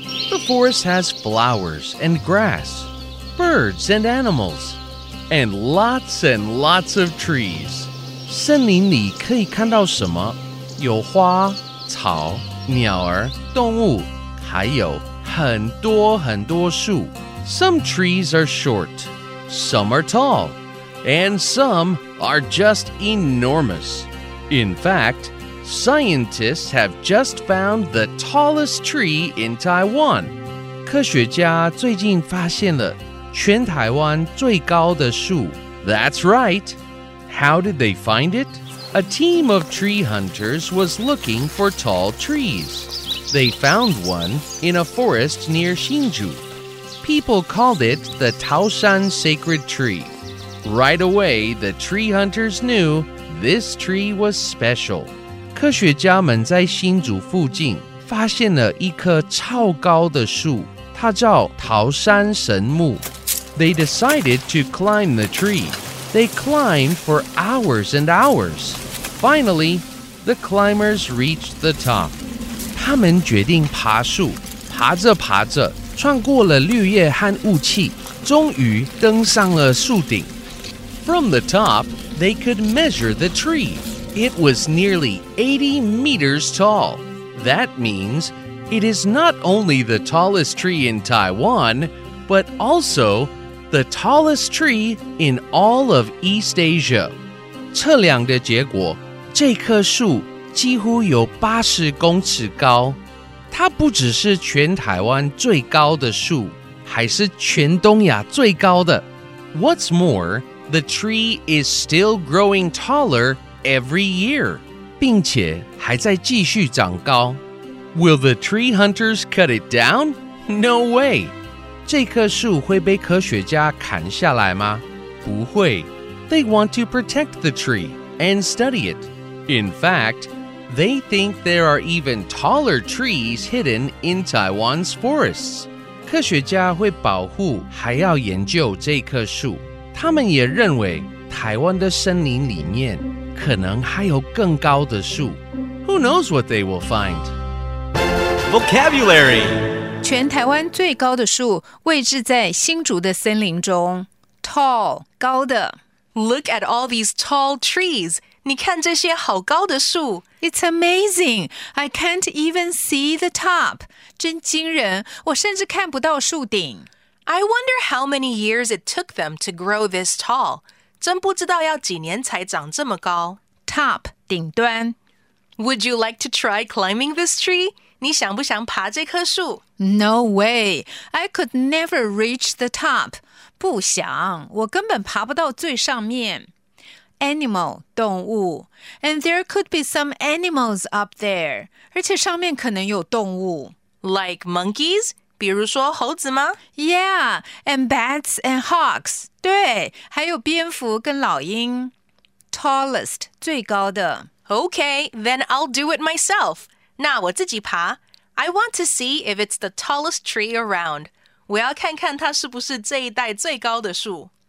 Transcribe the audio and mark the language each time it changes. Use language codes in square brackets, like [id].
[en] The forest has flowers and grass, birds and animals, and lots and lots of trees. [zh] 森林里可以看到什么？有花、草、鸟儿、动物，还有很多很多树。 [en] Some trees are short, some are tall, and some are just enormous. In fact, scientists have just found the tallest tree in Taiwan. [zh] 科学家最近发现了全台湾最高的树。 [en] That's right. How did they find it? A team of tree hunters was looking for tall trees. They found one in a forest near Hsinchu. People called it the Taoshan Sacred Tree. Right away, the tree hunters knew this tree was special. [zh] 科学家们在新竹附近发现了一棵超高的树，它叫桃山神木。 [en] They decided to climb the tree. They climbed for hours and hours. Finally, the climbers reached the top. [zh] 他们决定爬树，爬着爬着，穿过了绿叶和雾气，终于登上了树顶。 [en] From the top, they could measure the tree. It was nearly 80 meters tall. That means it is not only the tallest tree in Taiwan, but also the tallest tree in all of East Asia. [zh] 测量的结果，这棵树几乎有80公尺高。它不只是全台湾最高的树，还是全东亚最高的。 [en] What's more, the tree is still growing taller every year. [zh] 并且还在继续长高。 [en] Will the tree hunters cut it down? No way. [zh] 这棵树会被科学家砍下来吗？不会。 [en] They want to protect the tree and study it. In fact, they think there are even taller trees hidden in Taiwan's forests. [zh] 科学家会保护还要研究这棵树。他们也认为台湾的森林里面可能还有更高的树。 [en] Who knows what they will find? Vocabulary. [zh] 全台湾最高的树位置在新竹的森林中。 [en] Tall, 高的。 Look at all these tall trees. [zh] 你看这些好高的树。 [en] It's amazing. I can't even see the top. [zh] 真惊人，我甚至看不到树顶。 [en] I wonder how many years it took them to grow this tall. [zh] 真不知道要几年才长这么高。 [en] Top, 顶端。 Would you like to try climbing this tree? [zh] 你想不想爬这棵树 [en] ？No way! I could never reach the top. [zh] 不想，我根本爬不到最上面。 [en] Animal, 动物。 And there could be some animals up there. [zh] 而且上面可能有动物。 [en] Like monkeys? [zh] 比如说猴子吗 [en] ？Yeah, and bats and hawks. [zh] 对，还有蝙蝠跟老鹰。 [en] Tallest, 最高的。 Okay, then I'll do it myself. [zh] 那我自己爬。 [en] I want to see if it's the tallest tree around. [zh] 我要看看它是不是这一带最高的树。